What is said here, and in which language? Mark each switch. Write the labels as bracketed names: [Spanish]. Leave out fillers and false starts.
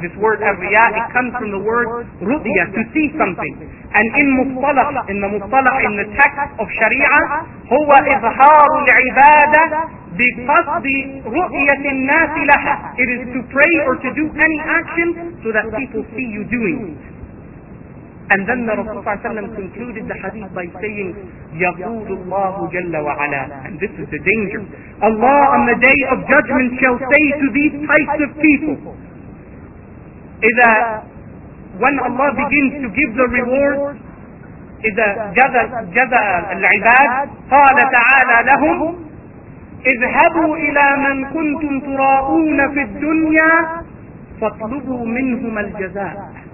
[English] This word الرياء, it comes from the word رؤيا, to see something. And in مصطلح, in the مصطلح, in the text of شريعة, [Arabic] هو إظهار العبادة بقصد رؤية الناس لها. [English] It is to pray or to do any action so that people see you doing. And then the Rasul صلى الله عليه وسلم concluded the hadith by saying, [Arabic] يقول الله جل وعلا. [English] And this is the danger. Allah on the day of judgment shall say to these types of people, إِذَا when Allah begins to give the reward, [Arabic] إِذَا جَذَى الْعِبَادِ قَالَ تَعَالَى لَهُمْ اِذْهَبُوا إِلَى مَنْ كُنْتُمْ تُرَاؤُونَ فِي الدُّنْيَا فَاطْلُبُوا مِنْهُمَ الْجَزَاءِ.